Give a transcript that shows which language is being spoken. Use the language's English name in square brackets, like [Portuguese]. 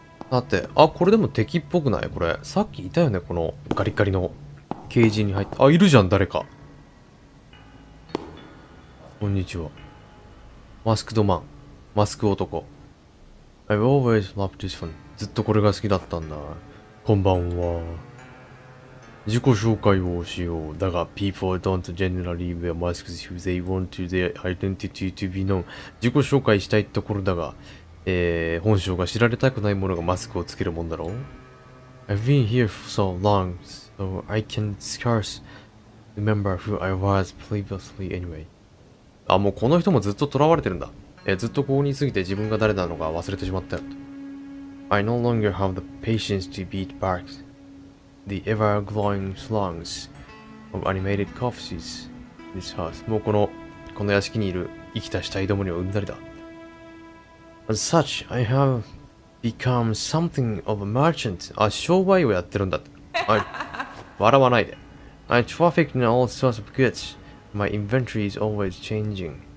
[Japanese] さて、あ、これでも敵っぽくない？これ。さっきいたよね、このガリガリのケージに入って。あ、いるじゃん、誰か。こんにちは。マスクドマン。マスク男。 [English] I've always loved this one. [Japanese] ずっとこれが好きだったんだ。こんばんは。自己紹介をしよう。だが、 [English] people don't generally wear masks if they want their identity to be known. [Japanese] 自己紹介したいところだが、本性が知られたくないものがマスクをつけるもんだろう。 [English] I've been here for so long, so I can scarce remember who I was previously anyway. [Japanese] あ、もうこの人もずっと囚われてるんだ。ずっとここにいすぎて自分が誰なのか忘れてしまったよ。 [English] I no longer have the patience to beat back the ever-glowing slums of animated corpses in this house. [Japanese] もうこの屋敷にいる生きた死体どもにはうんざりだ。 [English] As such, I have become something of a merchant. [Japanese] あ、商売をやってるんだって。笑わないで。 [English] I traffic in all sorts of goods. My inventory is always changing.